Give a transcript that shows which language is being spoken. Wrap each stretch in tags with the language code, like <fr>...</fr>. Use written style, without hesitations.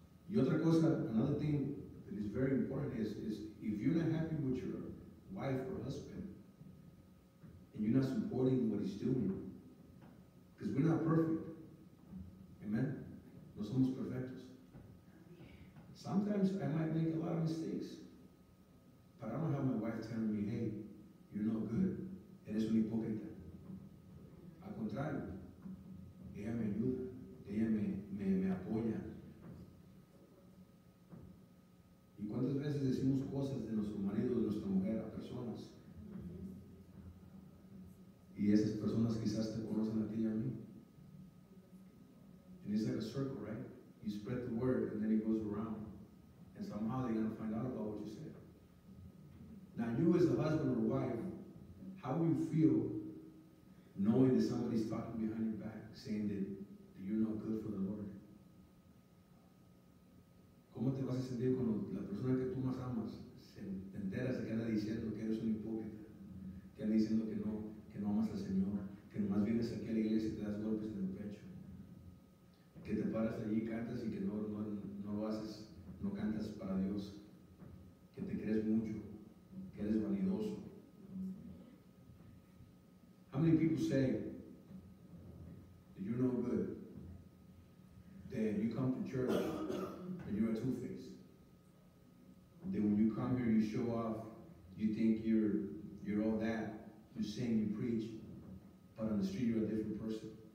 <es>Y otra cosa,</es> <en>another thing that is very important is if you're not happy with your wife or husband and you're not supporting what he's doing, because we're not perfect, amen?</en> <es>No somos perfectos.</es> <en>Sometimes I might make a lot of mistakes, but I don't have my wife telling me, hey, you're not good.</en> <es>Eres un hipócrita. Al contrario, ella me ayuda, ella me apoya. ¿Y cuántas veces decimos cosas de nuestro marido, de nuestra mujer, a personas? Y esas personas quizás te conocen a ti y a mí.</es> <en>And it's like a circle, right? You spread the word and then it goes around. And somehow they're going to find out about what you said. Now you as a husband or wife, how will you feel knowing that somebody's talking behind your back, saying that you're not good for the Lord?</en> <es>¿Cómo te vas a sentir cuando la persona que tú más amas se entera, se queda diciendo que eres un hipócrita, que anda diciendo que no amas al Señor, que nomás vienes aquí a la iglesia y te das golpes en el pecho, que te paras allí y cantas y que no lo haces, no cantas para Dios, que te crees mucho, que eres vanidoso?</es> <en>How many people say that you're no good, that you come to church and you're a two-faced, that when you come here you show off, you think you're all that, you sing, you preach, but on the street you're a different person?</en>